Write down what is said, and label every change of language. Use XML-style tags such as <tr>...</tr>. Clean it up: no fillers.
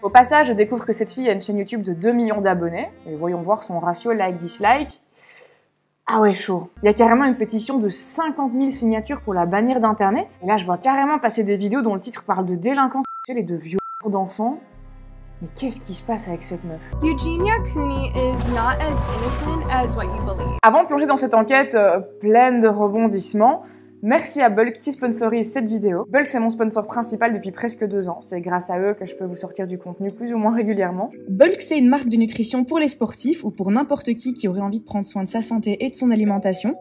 <fr>Au passage, je découvre que cette fille a une chaîne YouTube de 2 millions d'abonnés. Et voyons voir son ratio like-dislike. Ah ouais, chaud. Il y a carrément une pétition de 50 000 signatures pour la bannir d'Internet. Et là, je vois carrément passer des vidéos dont le titre parle de délinquance sexuelle et de vieux d'enfants. Mais qu'est-ce qui se passe avec cette meuf?</fr> <en>Eugenia Cooney is not as innocent as what you believe.</en> <fr>Avant de plonger dans cette enquête pleine de rebondissements, merci à Bulk qui sponsorise cette vidéo. Bulk, c'est mon sponsor principal depuis presque 2 ans. C'est grâce à eux que je peux vous sortir du contenu plus ou moins régulièrement. Bulk, c'est une marque de nutrition pour les sportifs ou pour n'importe qui aurait envie de prendre soin de sa santé et de son alimentation.</fr>